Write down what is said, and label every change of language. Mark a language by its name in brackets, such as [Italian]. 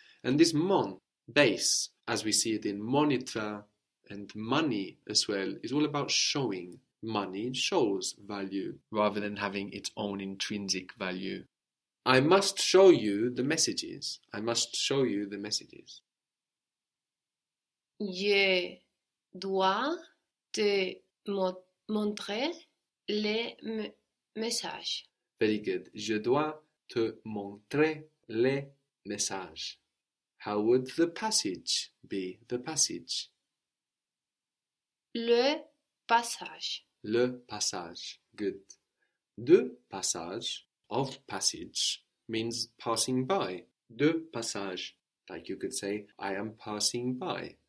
[English] And this mon, base, as we see it in moniteur and money as well, is all about showing. Money shows value rather than having its own intrinsic value. I must show you the messages. I must show you the messages. [French] Je dois te montrer les messages. [English] Very good. [French] Je dois te montrer les messages. [English] How would the passage be? The passage. [French] Le passage. Le passage. [English] Good. De passage, of passage, means passing by. De passage. Like you could say, I am passing by.